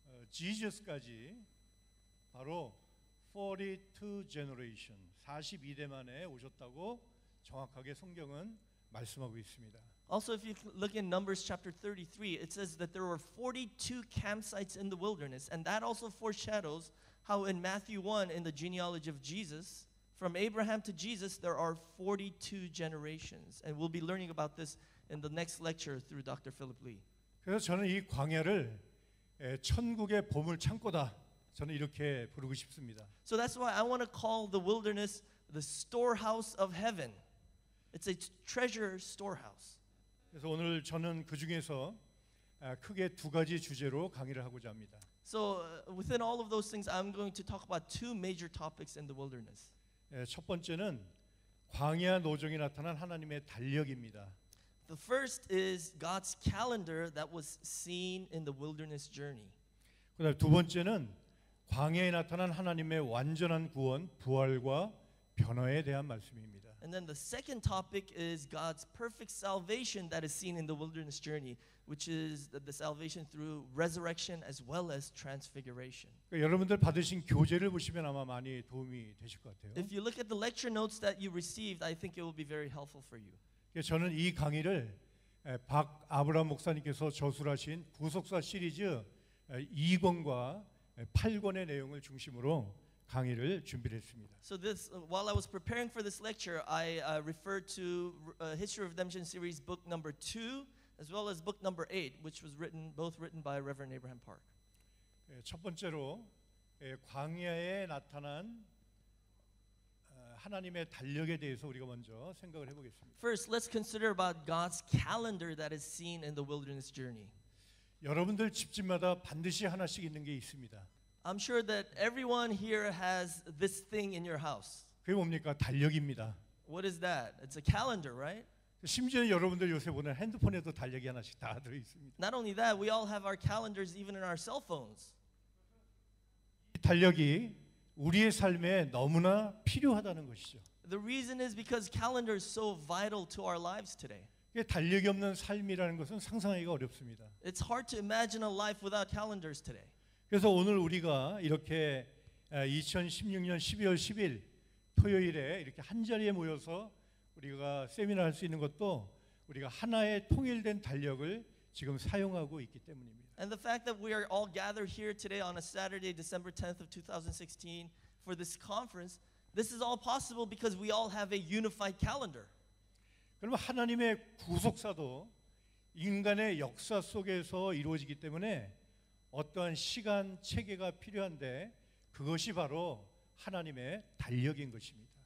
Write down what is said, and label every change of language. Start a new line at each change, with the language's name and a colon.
Korean: 지저스까지 바로 42 generation 42대 만에 오셨다고 정확하게 성경은 말씀하고 있습니다.
English: Also, if you look in Numbers chapter 33, it says that there were 42 campsites in the wilderness, and that also foreshadows how in Matthew 1, in the genealogy of Jesus, from Abraham to Jesus, there are 42 generations. And we'll be learning about this in the next lecture through Dr. Philip Lee.
Korean: 그래서 저는 이 광야를 천국의 보물 창고다. 저는 이렇게 부르고 싶습니다.
English: So that's why I want to call the wilderness the storehouse of heaven. It's a treasure storehouse.
Korean: 그래서 오늘 저는 그 중에서 크게 두 가지 주제로 강의를 하고자 합니다.
English: So within all of those things, I'm going to talk about two major topics in the wilderness.
Korean: 첫 번째는 광야 노정에 나타난 하나님의 달력입니다.
English: The first is God's calendar that was seen in the wilderness journey.
Korean: 그다음 두 번째는 광야에 나타난 하나님의 완전한 구원, 부활과 변화에 대한 말씀입니다.
English: And then the second topic is God's perfect salvation that is seen in the wilderness journey, which is the salvation through resurrection as well as transfiguration.
Korean: 여러분들 받으신 교재를 보시면 아마 많이 도움이 되실 것 같아요.
English: If you look at the lecture notes that you received, I think it will be very helpful for you.
Korean: 저는 이 강의를 박 아브라 목사님께서 저술하신 구속사 시리즈 2권과 8권의 내용을 중심으로 강의를 준비했습니다.
English: So this, while I was preparing for this lecture, I referred to History of Redemption series book number 2 as well as book number 8, which was written both written by Reverend Abraham Park.
Korean: 첫 번째로 광야에 나타난 하나님의 달력에 대해서 우리가 먼저 생각을 해보겠습니다.
English: First, let's consider about God's calendar that is seen in the wilderness journey.
Korean: 여러분들 집집마다 반드시 하나씩 있는 게 있습니다.
English: I'm sure that everyone here has this thing in your house.
Korean: 그게 뭡니까? 달력입니다.
English: What is that? It's a calendar, right?
Korean: 심지어 여러분들 요새 보는 핸드폰에도 달력이 하나씩 다 들어 있습니다.
English: Not only that, we all have our calendars even in our cell phones.
Korean: 이 달력이 우리의 삶에 너무나 필요하다는 것이죠.
English: The reason is because calendar is so vital to our lives today.
Korean: 달력이 없는 삶이라는 것은 상상하기가 어렵습니다.
English: It's hard to imagine a life without calendars today.
Korean: 그래서 오늘 우리가 이렇게 2016년 12월 10일 토요일에 이렇게 한 자리에 모여서 우리가 세미나 할 수 있는 것도 우리가 하나의 통일된 달력을 지금 사용하고 있기 때문입니다.
English: And the fact that we are all gathered here today on a Saturday, December 10th of 2016 for this conference, this is all possible because we all have a unified calendar.
Korean: 그러면 하나님의 구속사도 인간의 역사 속에서 이루어지기 때문에 어떠한 시간 체계가 필요한데 그것이 바로 하나님의 달력인 것입니다.